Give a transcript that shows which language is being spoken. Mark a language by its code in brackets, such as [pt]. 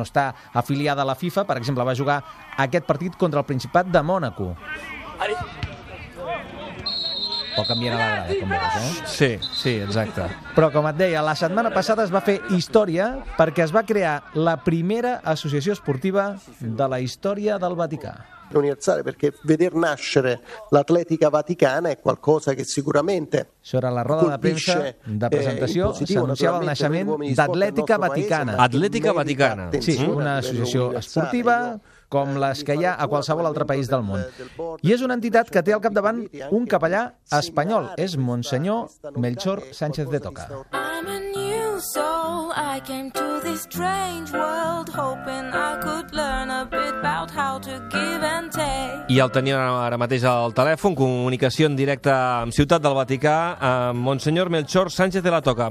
[ca] No està afiliada a la FIFA, per exemple, va jugar aquest partit contra el Principat de Mònaco. Pot canviar la grada, com veus, Sí, sí, exacte. Però, com et deia, la setmana passada es va fer història perquè es va crear la primera associació esportiva de la història del Vaticà. [it] Universale, perché veder nascere l'Atletica Vaticana è qualcosa che sicuramente [ca] sarà la roda de premsa de presentació s'anunciava el naixement d'Atletica Vaticana. Atletica Vaticana, sí, una associació esportiva com les que hi ha a qualsevol altre país del món. I és una entitat que té al capdavant un capellà espanyol, és Monsenyor Melchor Sánchez de Toca. [en] I'm a new soul, I came to this strange world hoping I could learn a bit about how to give and take. [ca] I el tenia ara mateix al telèfon, comunicació en directe amb Ciutat del Vaticà, amb Monsenyor Melchor Sánchez de la Toca.